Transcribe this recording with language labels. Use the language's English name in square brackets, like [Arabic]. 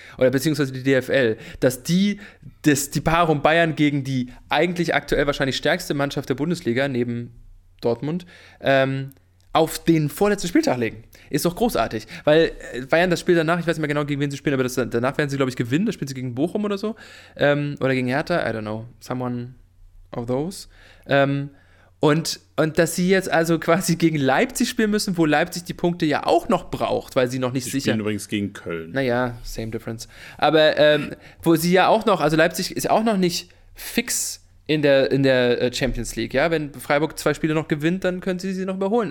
[German] Oder beziehungsweise die DFL, dass die Paarung Bayern gegen die eigentlich aktuell wahrscheinlich stärkste Mannschaft der Bundesliga neben Dortmund, auf den vorletzten Spieltag legen. Ist doch großartig, weil Bayern das Spiel danach, ich weiß nicht mehr genau, gegen wen sie spielen, aber danach werden sie, glaube ich, gewinnen. Da spielen sie gegen Bochum oder so. Oder gegen [English] Hertha, I don't know, someone of those. [German] Und dass sie jetzt also quasi gegen Leipzig spielen müssen, wo Leipzig die Punkte ja auch noch braucht, weil sie noch nicht sicher... Die spielen übrigens gegen Köln. [English] Naja, same difference. [German] Aber wo sie ja auch noch, also Leipzig ist auch noch nicht fix in der Champions League, ja, wenn Freiburg 2 Spiele noch gewinnt, dann können sie sie noch überholen.